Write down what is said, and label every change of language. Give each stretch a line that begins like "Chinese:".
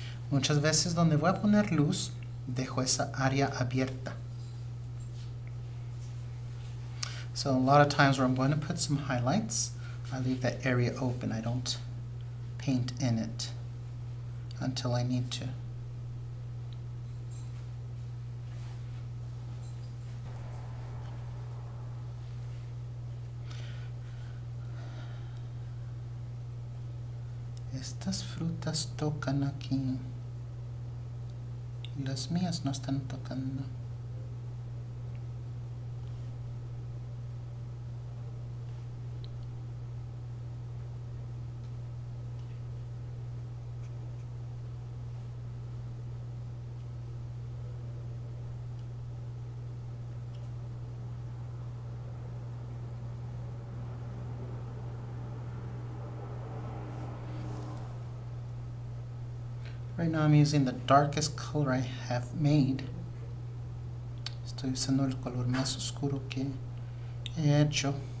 Spanish: Muchas veces donde voy a poner luz, dejo esa área abierta.
English: So a lot of times where I'm going to put some highlights, I leave that area open. I don't paint in it until I need to.
Spanish: Estas frutas tocan aquí. Las mías no están tocando.
English: Right now I'm using the darkest color I have made.
Spanish: Estoy usando el color más oscuro que he hecho.